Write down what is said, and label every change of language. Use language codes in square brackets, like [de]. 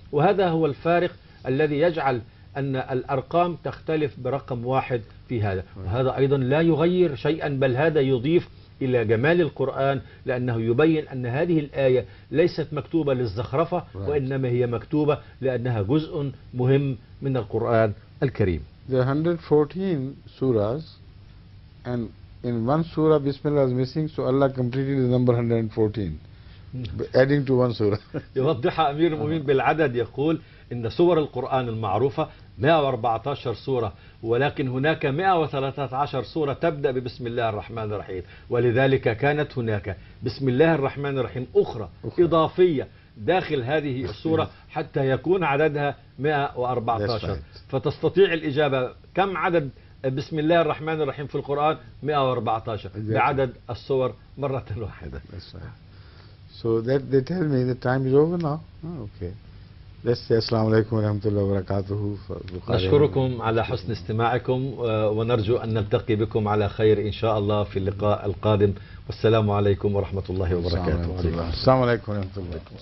[ar] وهذا هو الفارق الذي يجعل أن الأرقام تختلف برقم واحد في هذا، وهذا أيضا لا يغير شيئا بل هذا يضيف إلى جمال القرآن، لأنه يبين أن هذه الآية ليست مكتوبة للزخرفة وإنما هي مكتوبة لأنها جزء مهم من القرآن الكريم. [en] There are 114 surahs and in one surah bismillah is missing, so Allah completed the number 114 adding to one surah. [ar] يوضح أمير المؤمنين بالعدد، يقول إن سور القرآن المعروفة 114 سورة ولكن هناك 113 سورة تبدأ ببسم الله الرحمن الرحيم، ولذلك كانت هناك بسم الله الرحمن الرحيم أخرى. إضافية داخل هذه السورة حتى يكون عددها 114. فتستطيع الإجابة كم عدد بسم الله الرحمن الرحيم في القرآن؟ 114 بعدد السور مرة واحدة. [en] So that they tell me the time is over now. Okay. Let's say [ar] assalamu alaikum wa rahmatullahi wa barakatuhu. نشكركم على حسن استماعكم ونرجو أن نلتقي بكم على خير إن شاء الله في اللقاء القادم، والسلام عليكم ورحمة الله وبركاته. السلام عليكم ورحمة الله.